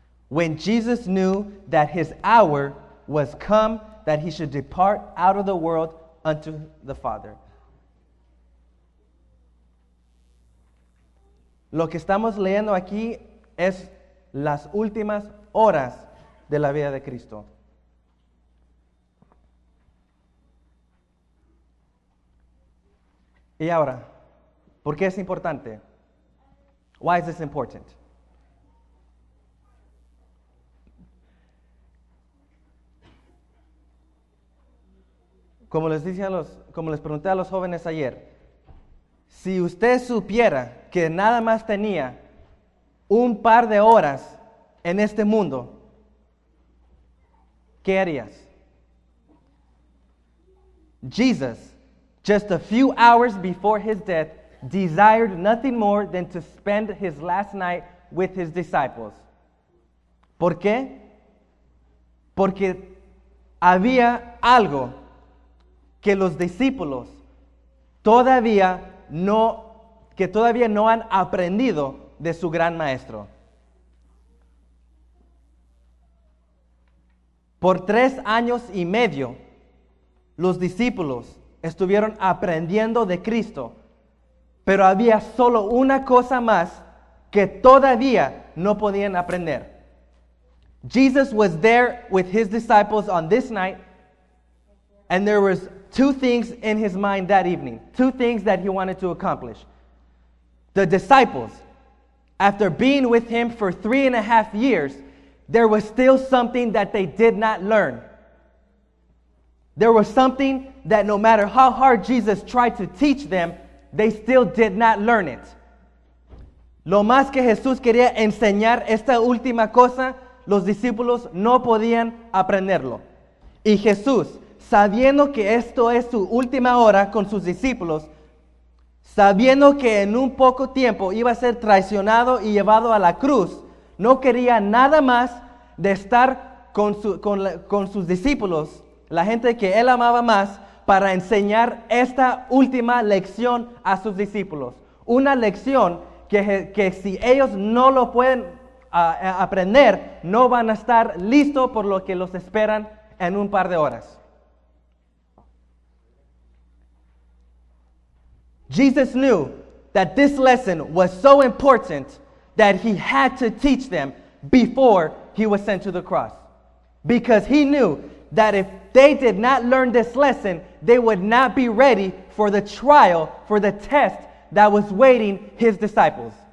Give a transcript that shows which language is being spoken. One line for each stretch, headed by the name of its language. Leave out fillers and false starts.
English: When Jesus knew that his hour was come, that he should depart out of the world unto the Father.
Spanish: Lo que estamos leyendo aquí es las últimas horas de la vida de Cristo. Y ahora, ¿por qué es importante?
English: Why is this important?
Spanish: Como les pregunté a los jóvenes ayer, si usted supiera que nada más tenía un par de horas en este mundo, ¿qué harías?
English: Jesus, just a few hours before his death, desired nothing more than to spend his last night with his disciples.
Spanish: ¿Por qué? Porque había algo que los discípulos todavía no han aprendido de su gran maestro. Por 3 años y medio, los discípulos estuvieron aprendiendo de Cristo, pero había solo una cosa más que todavía no podían aprender.
English: Jesus was there with his disciples on this night, and there was 2 things in his mind that evening, 2 things that he wanted to accomplish. The disciples, after being with him for 3.5 years, there was still something that they did not learn. There was something that no matter how hard Jesus tried to teach them, they still did not learn it.
Spanish: Lo más que Jesús quería enseñar esta última cosa, los discípulos no podían aprenderlo. Y Jesús, sabiendo que esto es su última hora con sus discípulos, sabiendo que en un poco tiempo iba a ser traicionado y llevado a la cruz, no quería nada más de estar con sus discípulos, la gente que él amaba más, para enseñar esta última lección a sus discípulos. Una lección que si ellos no lo pueden aprender, no van a estar listos por lo que los esperan en un par de horas.
English: Jesus knew that this lesson was so important that he had to teach them before he was sent to the cross. Because he knew that if they did not learn this lesson, they would not be ready for the trial, for the test that was waiting his disciples.